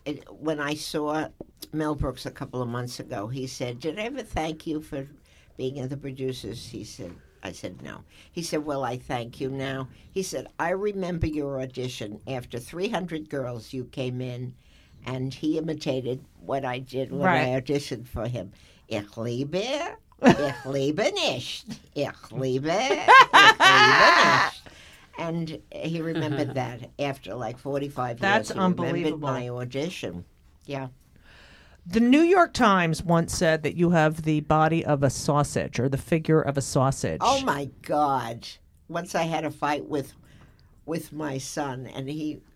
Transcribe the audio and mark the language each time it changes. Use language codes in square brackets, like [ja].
[en] When I saw Mel Brooks a couple of months ago, he said, did I ever thank you for being in The Producers? I said, no. He said, well, I thank you now. He said, I remember your audition. After 300 girls, you came in. And he imitated what I did when I auditioned for him. [de] Ich liebe, ich liebe nicht. Ich liebe, ich liebe nicht. [en] And he remembered that after like 45 That's That's unbelievable. He remembered my audition. Yeah. The New York Times once said that you have the body of a sausage or the figure of a sausage. Oh, my God. Once I had a fight with my son and he...